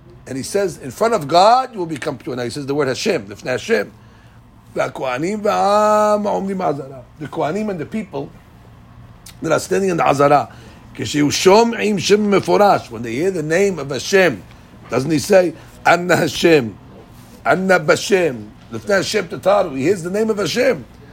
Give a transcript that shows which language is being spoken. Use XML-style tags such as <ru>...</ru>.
<en>And he says, in front of God, you will become pure. Now he says the word Hashem,</en> <he>לפני השם. והכהנים והעם עומדים עזרה.</he> <en>The כהנים and the people that are standing in the עזרה. When they hear the name of Hashem, doesn't he say,</en> <he>Anna Hashem, Anna Bashem, Lifna Hashem Tataru,</he> <en>he hears the name of Hashem.</en>